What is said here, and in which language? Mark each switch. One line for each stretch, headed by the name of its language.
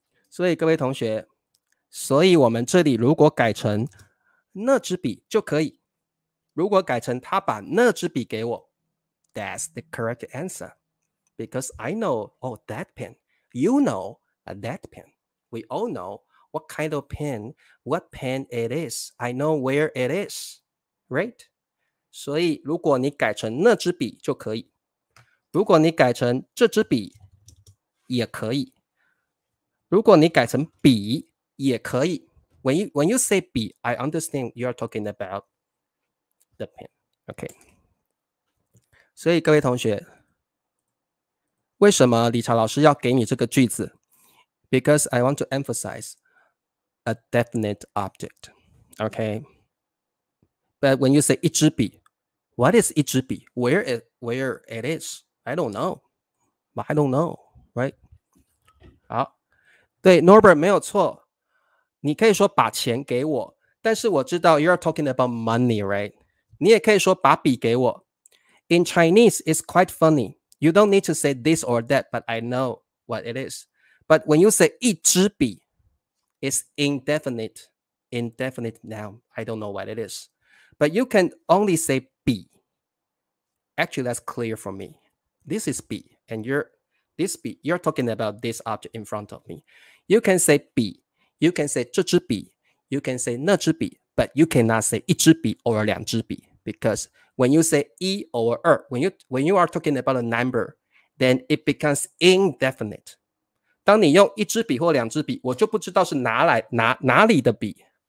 Chinese: 所以各位同学，所以我们这里如果改成那支笔就可以，如果改成他把那支笔给我，
English: That's the correct answer. Because I know, oh, that pen. You know that pen. We all know what kind of pen, what pen it is. I know where it is. Right?
Chinese: 所以如果你改成那支笔就可以，如果你改成这支笔也可以，如果你改成笔也可以。
English: When you say 笔 I understand you are talking about the pen. Okay.
Chinese: 所以各位同学，为什么理查老师要给你这个句子？
English: Because I want to emphasize a definite object. Okay. But when you say 一支笔， what is 一支笔？ Where it is? I don't know. But I don't know, right?
Chinese: 好，对 Norbert 没有错，你可以说把钱给我，但是我知道
English: you're talking about money, right?
Chinese: 你也可以说把笔给我。
English: In Chinese, it's quite funny. You don't need to say this or that, but I know what it is. But when you say 一支笔， it's indefinite noun. I don't know what it is. But you can only say 笔。Actually, that's clear for me. This is 笔, and you're talking about this object in front of me. You can say 笔。 You can say 这支笔, you can say 那支笔, but you cannot say 一支笔 or 两支笔, because when you say 一 or 二, when you are talking about a number, then it becomes indefinite.
Chinese: 当你用一支笔或两支笔，我就不知道是哪里的笔。